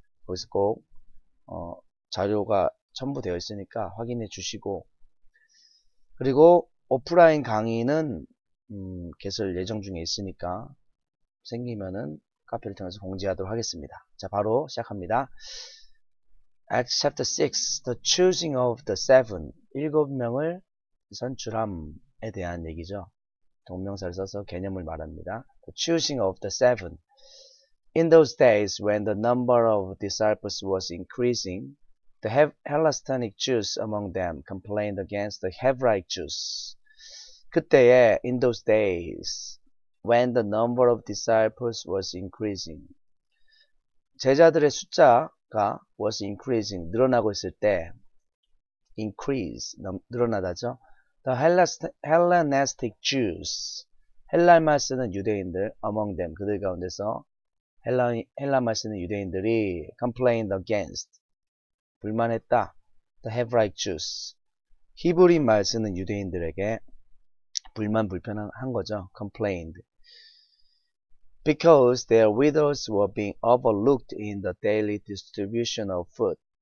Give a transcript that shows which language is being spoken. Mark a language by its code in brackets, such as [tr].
[ko] 거기서 꼭 자료가 첨부되어 있으니까 확인해 주시고, 그리고 오프라인 강의는 개설 예정 중에 있으니까 생기면은 카페를 통해서 공지하도록 하겠습니다. 자, 바로 시작합니다. [en] Acts Chapter 6, The Choosing of the Seven, [ko] 7명을 선출함에 대한 얘기죠. 동명사를 써서 개념을 말합니다. [en] The choosing of the seven. In those days, when the number of disciples was increasing, the Hellenistic Jews among them complained against the Hebraic Jews. [ko] 그때에, [en] in those days, when the number of disciples was increasing, [ko] 제자들의 숫자가 [en] was increasing, [ko] 늘어나고 있을 때, [en] increase, [ko] 늘어나다죠. [en] The Hellenistic Jews. [ko] 헬라말 쓰는 유대인들, [en] among them, [ko] 그들 가운데서 헬라말 쓰는 유대인들이 [en] complained against, [ko] 불만했다. [en] The Hebraic Jews. [ko] 히브리 말 쓰는 유대인들에게 불만 불편한 거죠. [en] complained. Because their widows were being overlooked in the daily distribution of food.